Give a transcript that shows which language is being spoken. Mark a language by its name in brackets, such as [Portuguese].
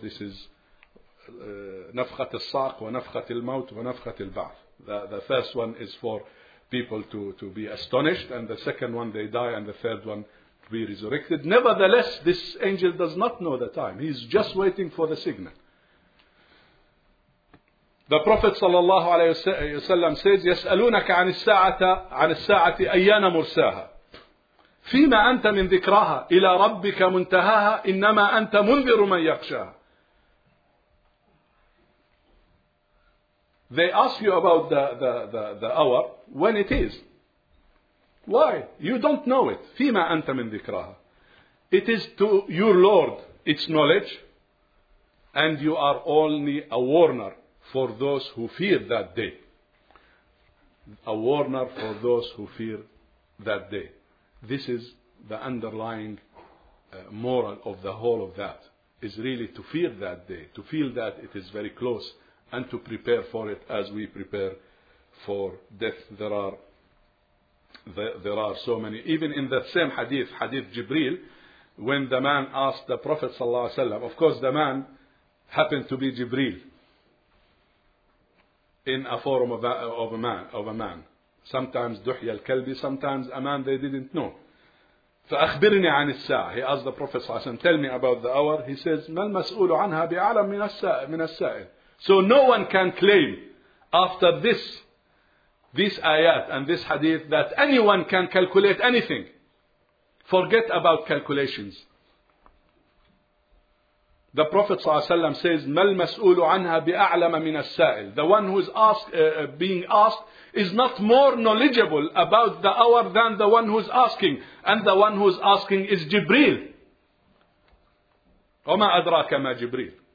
[English] This is [Arabic] nafqat al-saq, wa nafqat al-maut, wa nafqat al-ba'th. [English] The first one is for people to be astonished, and the second one they die, and the third one to be resurrected. Nevertheless, this angel does not know the time. He is just waiting for the signal. The Prophet sallallahu alayhi wa sallam says, [Arabic] يَسْأَلُونَكَ عَنِ السَّاعَةِ أَيَّانَ مُرْسَاهَا فِيمَا أَنْتَ مِنْ ذِكْرَاهَا إِلَىٰ رَبِّكَ مُنْتَهَاهَا إِنَّمَا أَنْتَ مُنْذِرُ مَنْ يَخْشَاهَا. [English] They ask you about the hour, when it is. Why? You don't know it. [Arabic] فِيمَا أَنْتَ مِنْ ذِكْرَاهَا. [English] It is to your Lord its knowledge, and you are only a warner for those who fear that day. A warner for those who fear that day. This is the underlying moral of the whole of that, is really to fear that day, to feel that it is very close, and to prepare for it as we prepare for death. There are so many. Even in that same hadith Jibreel, when the man asked the Prophet sallallahu alaihi wasallam, of course the man happened to be Jibreel, in a form of a man. Sometimes duhya al-kalbi, sometimes a man they didn't know. [Arabic] فَأَخْبِرْنِي عَنِ السَّاعَةِ. [English] He asked the Prophet صلى الله عليه وسلم, tell me about the hour. He says, [Arabic] مَا الْمَسْؤُولُ عَنْهَا بِعَلَمْ مِنَ السَّائِلِ. [English] So no one can claim after this ayat and this hadith that anyone can calculate anything. Forget about calculations. The Prophet [Arabic] صلى الله عليه وسلم [English] says, [Arabic] مَا الْمَسْؤُولُ عَنْهَا بِأَعْلَمَ مِنَ السَّائِلِ. [English] The one who is being asked is not more knowledgeable about the hour than the one who is asking. And the one who is asking is Jibreel. [Arabic] وَمَا أَدْرَاكَ مَا جِبْرِيلِ.